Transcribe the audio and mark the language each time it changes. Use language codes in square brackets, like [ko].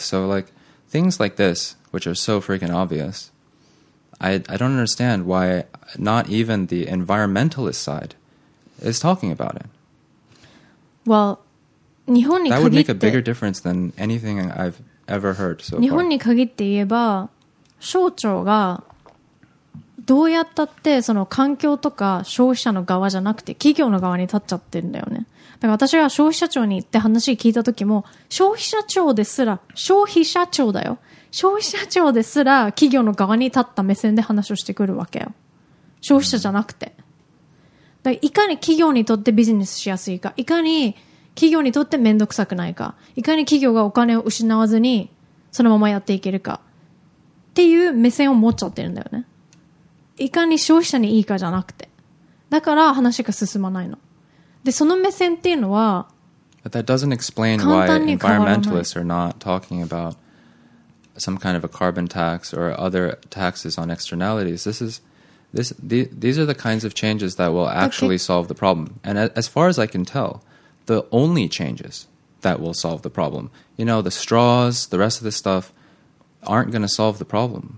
[en] So like things like this, which are so freaking obvious, I don't understand why not even the environmentalist side is talking about it. Well, [ja] 日本に限って、 [en] That would make a bigger difference than anything I've ever heard so far. [ja] 日本に限って言えば、省庁がどうやったってその環境とか消費者の側じゃなくて企業の側に立っちゃってるんだよね。だから私が消費者庁に行って話聞いた時も、消費者庁ですら、消費者庁だよ、消費者庁ですら企業の側に立った目線で話をしてくるわけよ、消費者じゃなくて。だからいかに企業にとってビジネスしやすいか、いかに企業にとってめんどくさくないか、いかに企業がお金を失わずにそのままやっていけるかっていう目線を持っちゃってるんだよね。いかに消費者にいいかじゃなくて、だから話が進まないので、その目線っていうのは [en] But that doesn't explain why environmentalists are not talking about some kind of a carbon tax or other taxes on externalities. This is these are the kinds of changes that will actually solve the problem. And as far as I can tell, the only changes that will solve the problem, you know, the straws, the rest of this stuff aren't going to solve the problem.